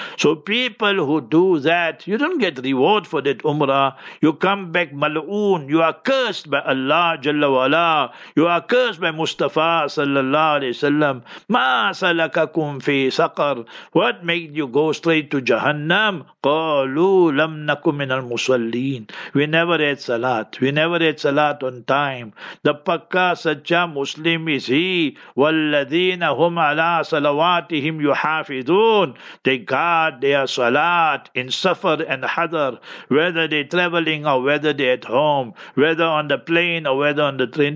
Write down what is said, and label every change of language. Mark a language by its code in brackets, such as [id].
[en] So people who do that, you don't get reward for that Umrah. You come back Mal'oon, you are cursed by Allah Jalla wa'ala. You are cursed by Mustafa Sallallahu Alaihi Wasallam. [ar] Ma salakakum fi saqar. [en] What made you go straight to Jahannam? [ar] Qalu لَمْ نَكُمْ مِنَ الْمُسَلِّينَ. [en] We never had Salat. We never had Salat on time. The [hi] Pakka Sacha [en] Muslim is he. [ar] وَالَّذِينَ هُمْ عَلَىٰ صَلَوَاتِهِمْ يُحَافِذُونَ. [en] They guard their Salat in Safar and Hadar, whether they're traveling or whether they're at home, whether on the plane or whether on the train.